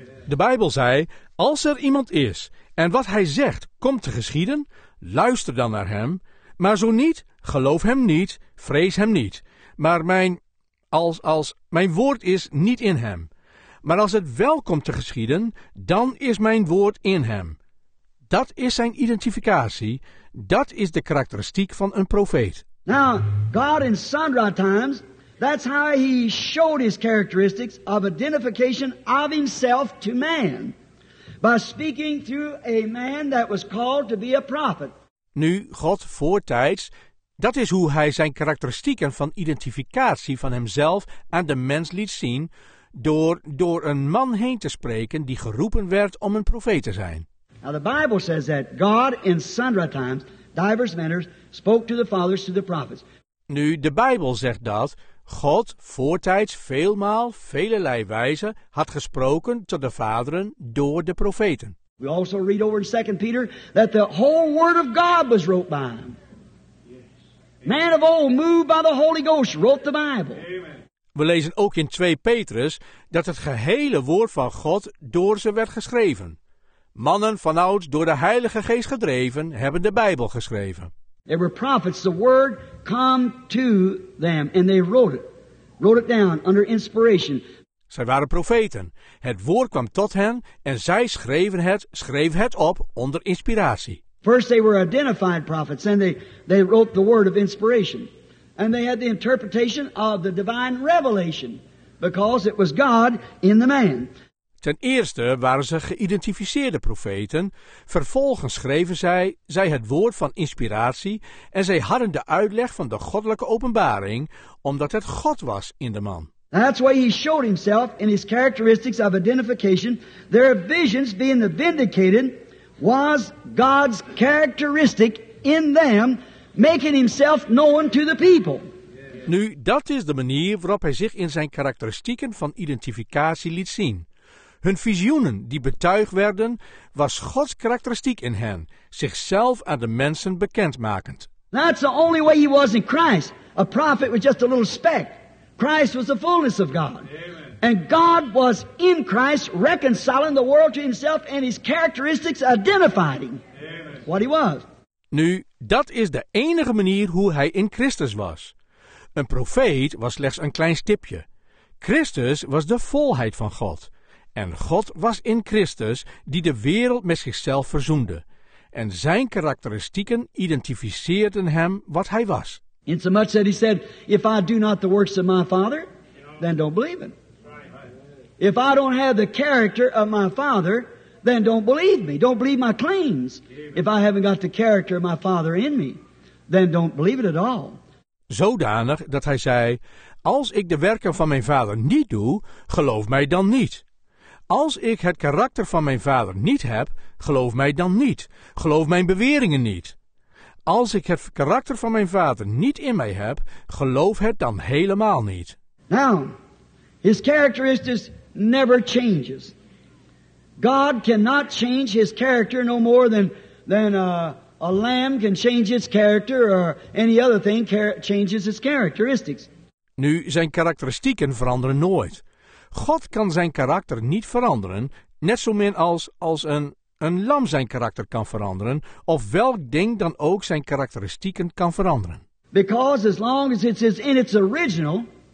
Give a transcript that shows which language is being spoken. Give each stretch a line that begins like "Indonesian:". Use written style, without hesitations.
Dutch: De Bijbel zei, als er iemand is en wat hij zegt komt te geschieden, luister dan naar hem, maar zo niet, geloof hem niet, vrees hem niet. Maar mijn woord is niet in hem. Maar als het wel komt te geschieden, dan is mijn woord in hem. Dat is zijn identificatie, dat is de karakteristiek van een profeet.
English: Now, God in sundry times, that's how he showed his characteristics of identification of himself to man. By speaking through a man that was called to be a prophet.
Dutch: Nu, God voortijds, dat is hoe hij zijn karakteristieken van identificatie van hemzelf aan de mens liet zien, door een man heen te spreken die geroepen werd om een profeet te zijn.
English: Now the Bible says that God in sundry times, divers manners, spoke to the fathers through the prophets.
Dutch: Nu, de Bijbel zegt dat God voortijds veelmaal, velerlei wijze, had gesproken tot de vaderen door de profeten.
English: We also read over in 2 Peter that the whole word of God was wrote by him. Man of old, moved by the Holy Ghost, wrote the Bible. Amen.
Dutch: We lezen ook in 2 Petrus dat het gehele woord van God door ze werd geschreven. Mannen vanouds door de Heilige Geest gedreven hebben de Bijbel geschreven.
English: There were prophets, the word come to them and they wrote it down under inspiration.
Dutch: Zij waren profeten. Het woord kwam tot hen en zij schreef het op onder inspiratie.
English: First they were identified prophets and they wrote the word of inspiration. And they had the interpretation of the divine revelation because it was God in the man.
Dutch: Ten eerste waren ze geïdentificeerde profeten, vervolgens schreven zij het woord van inspiratie en zij hadden de uitleg van de goddelijke openbaring, omdat het God was in de man.
English: That's why he showed himself in his characteristics of identification, their visions being the vindicated was God's characteristic in them, making himself known to the people.
Dutch: Nu, dat is de manier waarop hij zich in zijn karakteristieken van identificatie liet zien. Hun visioenen die betuigd werden, was Gods karakteristiek in hen, zichzelf aan de mensen bekendmakend.
English: That's the only way he was in Christ. A prophet was just a little speck. Christ was the fullness of God. Amen. And God was in Christ reconciling the world to himself and his characteristics identified him. Amen. What he was.
Dutch: Nu, dat is de enige manier hoe hij in Christus was. Een profeet was slechts een klein stipje. Christus was de volheid van God. En God was in Christus die de wereld met zichzelf verzoende. En zijn karakteristieken identificeerden hem wat hij was.
English: In so much that he said, if I do not the works of my father, then don't believe him. If I don't have the character of my father, then don't believe me. Don't believe my claims. If I haven't got the character of my father in me, then don't believe it at all.
Dutch: Zodanig dat hij zei, als ik de werken van mijn vader niet doe, geloof mij dan niet. Als ik het karakter van mijn vader niet heb, geloof mij dan niet. Geloof mijn beweringen niet. Als ik het karakter van mijn vader niet in mij heb, geloof het dan helemaal niet.
English: Now, his characteristics never changes. God cannot change his character no more than a lamb can change its character or any other thing changes its characteristics.
Dutch: Nu, zijn karakteristieken veranderen nooit. God kan zijn karakter niet veranderen, net zo min als een lam zijn karakter kan veranderen, of welk ding dan ook zijn karakteristieken kan veranderen.
English: Because as long as it is in its original.